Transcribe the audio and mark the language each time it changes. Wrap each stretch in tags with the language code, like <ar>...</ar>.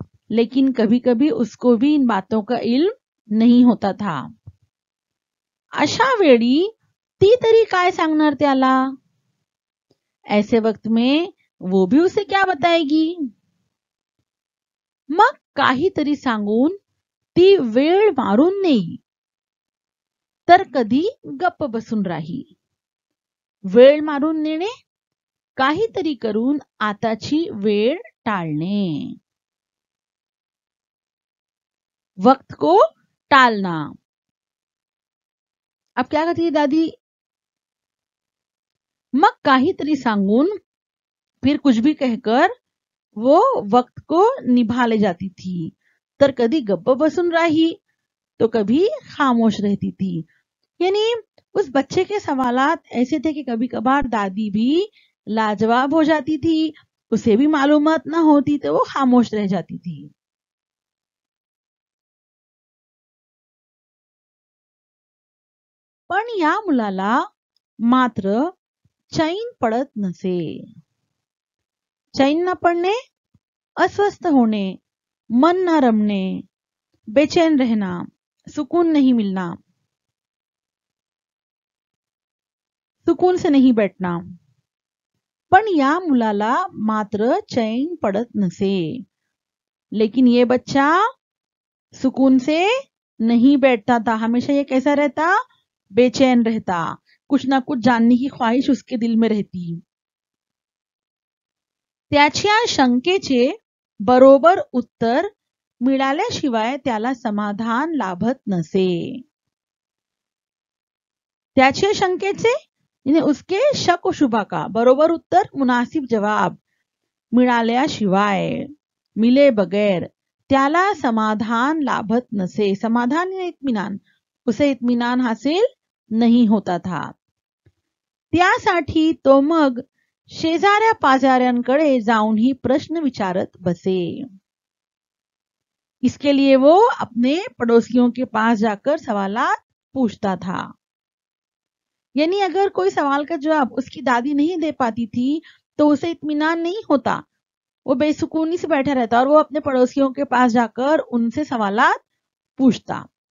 <hi>लेकिन कभी कभी उसको भी इन बातों का इल्म नहीं होता था.</hi> <mr>अशा वेळी ती तरी काय सांगणार त्याला?</mr> <hi>ऐसे वक्त में वो भी उसे क्या बताएगी?</hi> <mr>मग काही तरी सांगून ती वेळ मारून नेई, तर कधी गप्प बसून राही. वेळ मारून नेणे, काहीतरी करून आताची वेळ टाळणे.</mr> <hi>वक्त को टालना. अब क्या कहती है दादी?</hi> <mr>मग काही तरी सांगून</mr> <hi>फिर कुछ भी कहकर वो वक्त को निभा ले जाती थी.</hi> <mr>तर कभी गप्प बसून राही</mr> <hi>तो कभी खामोश रहती थी. यानी उस बच्चे के सवालात ऐसे थे कि कभी कभार दादी भी लाजवाब हो जाती थी. उसे भी मालूमत ना होती तो वो खामोश रह जाती थी.</hi> <mr>पण या मुलाला मात्र चैन पडत नसे. चैन न पडणे, अस्वस्थ होणे, मन न रमणे,</mr> <hi>बेचैन रहना, सुकून नहीं मिलना, सुकून से नहीं बैठना.</hi> <mr>पण या मुलाला मात्र चैन पडत नसे.</mr> <hi>लेकिन ये बच्चा सुकून से नहीं बैठता था. हमेशा ये कैसा रहता? बेचैन रहता. कुछ ना कुछ जानने की ख्वाहिश उसके दिल में रहती.</hi> <mr>त्याच्या शंकेचे बरोबर उत्तर मिळाल्याशिवाय त्याला समाधान लाभत नसे. त्याच्या शंकेचे म्हणजे</mr> <hi>उसके शक शुभा का</hi> <mr>बरोबर उत्तर</mr> <hi>मुनासिब जवाब</hi> <mr>मिळाल्याशिवाय,</mr> <hi>मिले बगैर</hi> <mr>त्याला समाधान लाभत नसे.</mr> <hi>समाधान इत्मीनान, उसे इत्मीनान हासिल नहीं होता था.</hi> <mr>त्यासाठी तो मग शेजाऱ्या पाजाऱ्यांकडे जाऊन ही प्रश्न विचारत बसे.</mr> <hi>इसके लिए वो अपने पड़ोसियों के पास जाकर सवालात पूछता था. यानी अगर कोई सवाल का जवाब उसकी दादी नहीं दे पाती थी तो उसे इत्मीनान नहीं होता. वो बेसुकूनी से बैठा रहता और वो अपने पड़ोसियों के पास जाकर उनसे सवालात पूछता.</hi>